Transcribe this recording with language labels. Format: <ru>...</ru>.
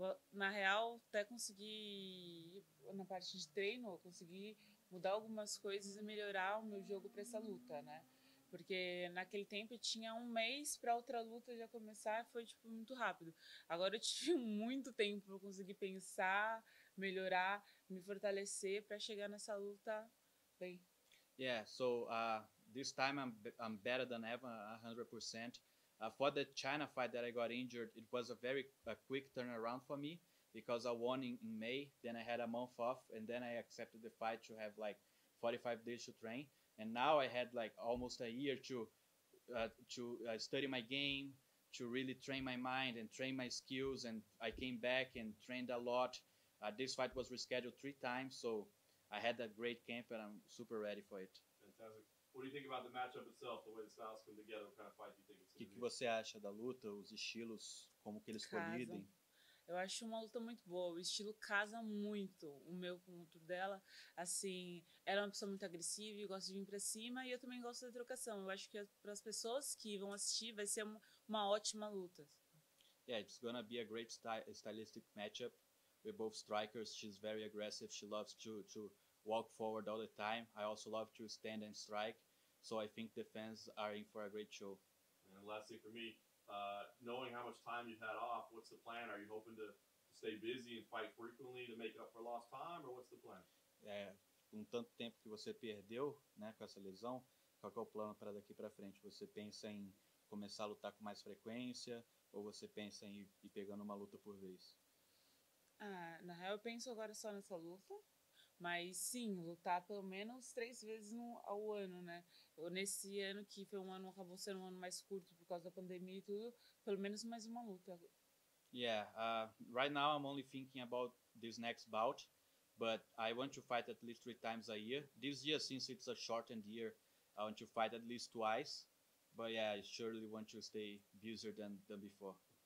<pt>Na real, até consegui, na parte de treino, consegui mudar algumas coisas e melhorar o meu jogo para essa luta, né? Porque naquele tempo eu tinha um mês para outra luta já começar, foi tipo muito rápido. Agora eu tive muito tempo para conseguir pensar, melhorar, me fortalecer para chegar nessa luta bem.</pt> <en>Yeah, so this time I'm better than ever, 100%. For the China fight that I got injured, it was a very quick turnaround for me because I won in May, then I had a month off and then I accepted the fight to have like 45 days to train. And now I had like almost a year to study my game, to really train my mind and train my skills. And I came back and trained a lot. This fight was rescheduled 3 times, so I had a great camp and I'm super ready for it. Fantastic. What do you think about the matchup itself, the way the styles come together? What kind of fight do you think it's going to be?</en> <pt>O que você acha da luta, os estilos, como que eles colidem? Eu acho uma luta muito boa, o estilo casa muito o meu com o outro dela, assim, ela é uma pessoa muito agressiva e gosta de vir pra cima, e eu também gosto da trocação, eu acho que para as pessoas que vão assistir vai ser uma ótima luta.</pt> <en>Yeah, it's gonna be a great stylistic matchup, we're both strikers, she's very aggressive, she loves to walk forward all the time, I also love to stand and strike, so I think the fans are in for a great show. And lastly for me, knowing how much time you've had off, what's the plan? Are you hoping to stay busy and fight frequently to make up for lost time, or what's the plan?</en> <pt>Com tanto tempo que você perdeu, né, com essa lesão, qual que é o plano para daqui para frente? Você pensa em começar a lutar com mais frequência, ou você pensa em ir pegando uma luta por vez? Ah, na real eu penso agora só nessa luta, mas sim, lutar pelo menos 3 vezes ao ano, né? Ou nesse ano que foi um ano, acabou sendo um ano mais curto por causa da pandemia e tudo, pelo menos mais uma luta.</pt> <en>Right now I'm only thinking about this next bout, but I want to fight at least 3 times a year. This year, since it's a shortened year, I want to fight at least 2x. But yeah, I surely want to stay busier than before.</en>